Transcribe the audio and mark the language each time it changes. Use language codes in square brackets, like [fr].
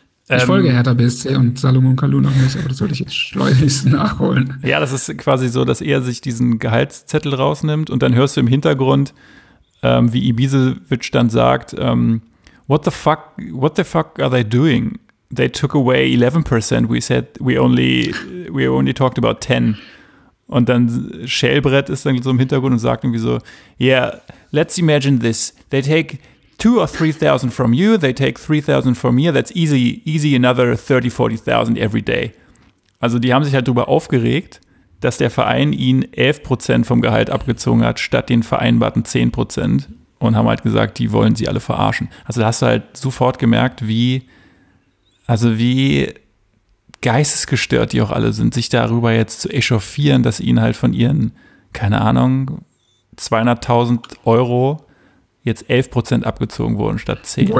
[de] Ich folge Hertha BSC und Salomon Kalou noch nicht, aber das sollte ich jetzt schleunigst nachholen. Ja, das ist quasi so, dass er sich diesen Gehaltszettel rausnimmt und dann hörst du im Hintergrund, wie Ibisevic dann sagt, [en] what the fuck are they doing? They took away 11%. We said we only talked about 10. [de] Und dann Schellbrett ist dann so im Hintergrund und sagt irgendwie so, [en] yeah, let's imagine this. They take 2,000 or 3,000 from you. They take 3,000 from here. That's easy another 30,000-40,000 every day. [de] Also die haben sich halt darüber aufgeregt, dass der Verein ihnen 11% vom Gehalt abgezogen hat, statt den vereinbarten 10%. Und haben halt gesagt, die wollen sie alle verarschen. Also da hast du halt sofort gemerkt, wie geistesgestört die auch alle sind, sich darüber jetzt zu echauffieren, dass ihnen halt von ihren, keine Ahnung, 200.000 Euro jetzt 11% abgezogen wurden statt 10.